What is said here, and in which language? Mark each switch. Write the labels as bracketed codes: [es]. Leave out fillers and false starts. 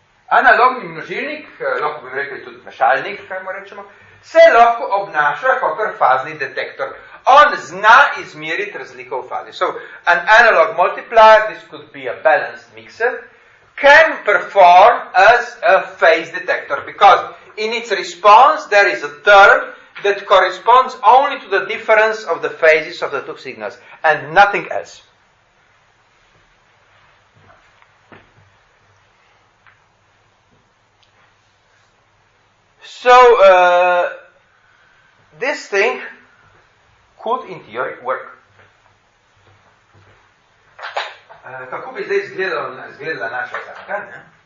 [sl] Analogni množilnik, lahko bi rekli tudi mešalnik, kaj mu rečemo, se lahko obnaša kot fazni detektor. On zna izmeriti razliko v fazi. [en] So, an analog multiplier, this could be a balanced mixer, can perform as a phase detector, because in its response there is a term that corresponds only to the difference of the phases of the two signals, and nothing else. So, this thing could, in theory, work. [sl] Kako bi zdaj izgledala naša zanka, ne?